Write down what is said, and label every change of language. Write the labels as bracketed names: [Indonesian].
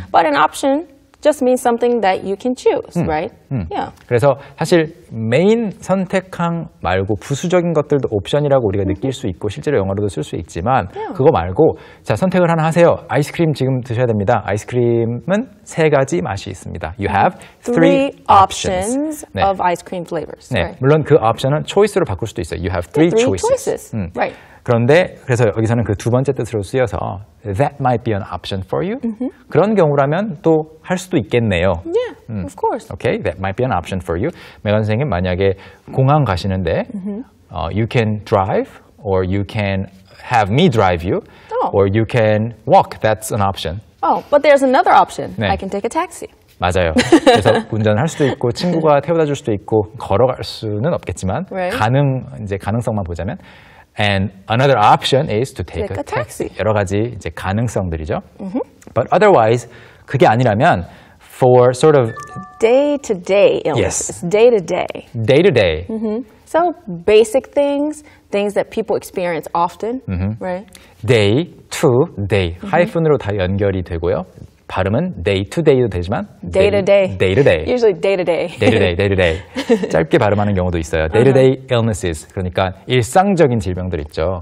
[English] But an option just means something that you can choose, right? [Korean] Yeah. 그래서 사실 메인 선택항 말고 부수적인 것들도 옵션이라고 우리가 느낄 수 있고 실제로 영어로도 쓸 수 있지만 그거 말고 자 선택을 하나 하세요. 아이스크림 지금 드셔야 됩니다. 아이스크림은 세 가지 맛이 있습니다. [English] You have three options 네. of ice cream flavors. [Korean] 네. [English] Right. [Korean] 물론 그 옵션은 choice로 바꿀 수도 있어요. [English] You have three choices. Right. [Korean] 그런데 그래서 여기서는 그 두 번째 뜻으로 쓰여서 [English] that might be an option for you. Mm-hmm. [Korean] 그런 경우라면 또 할 수도 있겠네요. [English] Yeah, of course. Okay, that might be an option for you. [Korean] 메간 선생님 만약에 공항 가시는데 [English] mm-hmm. You can drive or you can have me drive you oh. or you can walk. That's an option. Oh, but there's another option. 네. I can take a taxi. [Korean] 맞아요. 그래서 운전할 수도 있고 친구가 태워다 줄 수도 있고 걸어갈 수는 없겠지만 [English] right. [Korean] 가능성만 보자면 [English] And another option is to take a taxi. [Korean] 여러 가지 이제 가능성들이죠. [English] Mm-hmm. But otherwise, [Korean] 그게 아니라면 [English] for sort of day-to-day illness. Yes. Day-to-day. Day-to-day. Mm-hmm. So basic things, things that people experience often, mm-hmm. right? Day-to-day. Mm-hmm. [Korean] 하이픈으로 다 연결이 되고요. 발음은 day-to-day도 되지만 [English] day-to-day. Day-to-day. Usually day-to-day. Day-to-day, day-to-day. [Korean] 짧게 발음하는 경우도 있어요. [English] Day-to-day illnesses. [Korean] 그러니까 일상적인 질병들 있죠.